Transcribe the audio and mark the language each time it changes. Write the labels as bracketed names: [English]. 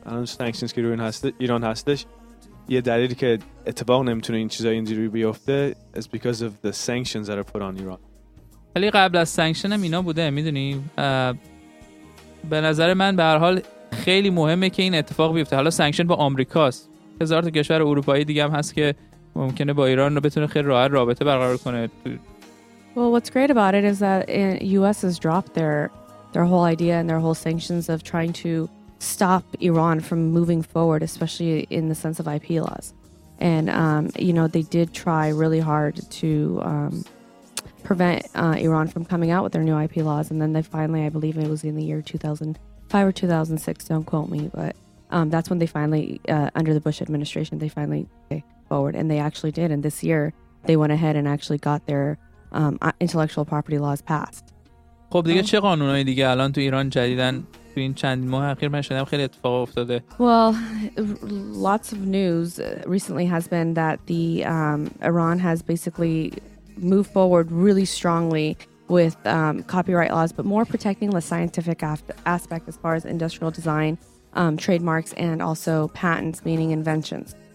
[Persian] الان سانکشنز که روی ایران هستش، یه دلیلی که اتفاق نمیتونه این چیزا اینجوری بیفته [English] is because of the sanctions that are put on Iran. [Persian] ولی قبل از سانکشن هم اینا بوده میدونی؟ به نظر من به هر حال خیلی مهمه که این اتفاق بیفته. حالا سانکشن با آمریکاست، هزار تا کشور اروپایی دیگه هم هست که ممکنه با ایران رو بتونه خیلی راحت رابطه برقرار کنه. [English] Well, what's great about it is that US has dropped their whole idea and their whole sanctions of trying to stop Iran from moving forward, especially in the sense of IP laws. And you know, they did try really hard to prevent Iran from coming out with their new IP laws, and then they finally, I believe it was in the year 2005 or 2006, don't quote me, but that's when they finally, under the Bush administration, they finally came forward, and they actually did, and this year they went ahead and actually got their intellectual property laws passed. [Persian] خب دیگه چه قانونایی دیگه الان تو ایران جدیدن تو این چند ماه اخیر من شنیدم خیلی اتفاق افتاده؟ [English] Well, lots of news recently has been that the Iran has basically move forward really strongly with copyright laws, but more protecting the scientific aspect as far as industrial design, trademarks, and also patents, meaning inventions.